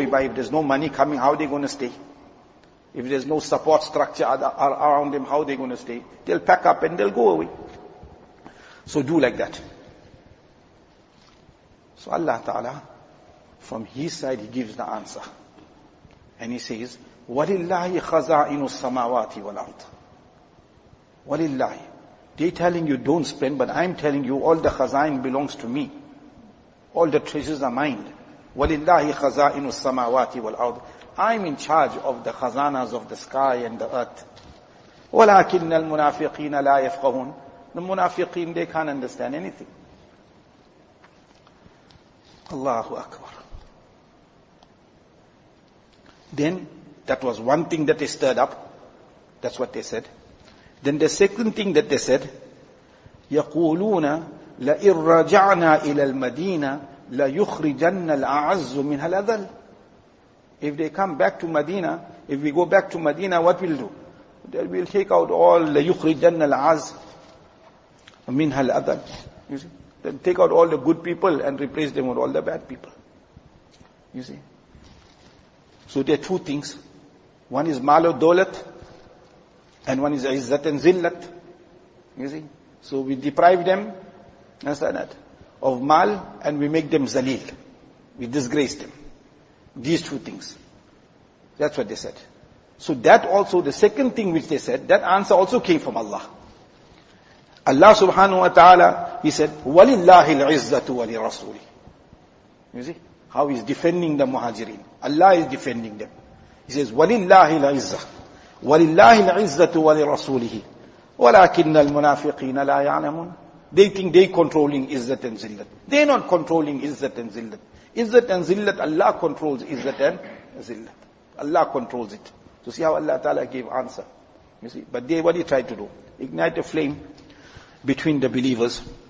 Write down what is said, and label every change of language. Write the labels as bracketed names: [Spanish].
[English] If there's no money coming, how are they going to stay? If there's no support structure around them, how are they going to stay? They'll pack up and they'll go away. So do like that. So Allah Ta'ala, from His side, He gives the answer. And He says, [Arabic] وَلِلَّهِ خَزَائِنُ السَّمَاوَاتِ وَالْأَرْضِ. وَلِلَّهِ. [English] They're telling you don't spend, but I'm telling you all the khazain belongs to me. All the treasures are mine. [Arabic] وَلِلَّهِ خَزَائِنُ السَّمَاوَاتِ وَالْأَرْضِ. [English] I'm in charge of the khazanas of the sky and the earth. [Arabic] وَلَكِنَّ الْمُنَافِقِينَ لَا يَفْقَهُونَ. [English] The munafiqeen, they can't understand anything. Allahu Akbar. Then that was one thing that they stirred up. That's what they said. Then the second thing that they said, [Arabic] يقولون لئن رجعنا إلى المدينة ليخرجن الأعز منها الأذل. [English] If they come back to Medina, if we go back to Medina, what we'll do? They will take out all the [Arabic] يخرجن الأعز منها الأذل. [English] You see, they'll take out all the good people and replace them with all the bad people. You see. So there are two things. One is mal and dawlat, and one is izzat and zillat. You see? So we deprive them, understand that, of mal, and we make them zalil. We disgrace them. These two things. That's what they said. So that also, the second thing which they said, that answer also came from Allah. Allah subhanahu wa ta'ala, He said, [Arabic] وَلِلَّهِ الْعِزَّةُ وَلِرَسُولِ. [English] You see? How he's defending the muhajirin. Allah is defending them. He says, [Arabic] وَلِلَّهِ الْعِزَّةُ وَلِلَّهِ الْعِزَّةُ وَلِرَسُولِهِ وَلَكِنَّ الْمُنَافِقِينَ لَا يَعْلَمُونَ. [English] They think they controlling izzat and zillat. They're not controlling izzat and zillat. Izzat and zillat, Allah controls izzat and zillat. Allah controls it. So see how Allah Ta'ala gave answer. You see? But they, what he tried to do? Ignite a flame between the believers.